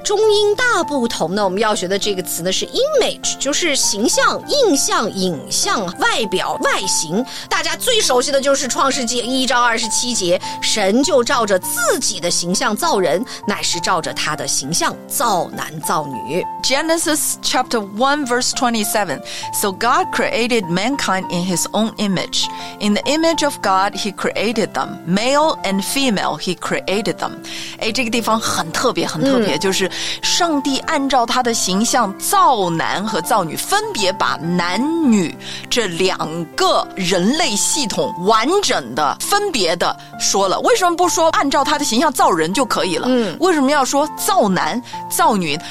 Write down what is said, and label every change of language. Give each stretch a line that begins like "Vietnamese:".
Chinese: 中英大不同呢，我们要学的这个词呢是 image， 就是形象、印象、影像、外表、外形。大家最熟悉的就是创世纪一章二十七节，神就照着自己的形象造人，乃是照着他的形象造男造女。
English: Genesis chapter 1 verse 27, So God created mankind in his own image. In the image of God he created them, male andfemale he created them.
Chinese: 哎，这个地方很特别很特别、就是上帝按照他的形象造男和造女，分别把男女这两个人类系统完整的分别的说了。为什么不说按照他的形象造人就可以了、为什么要说造男造女？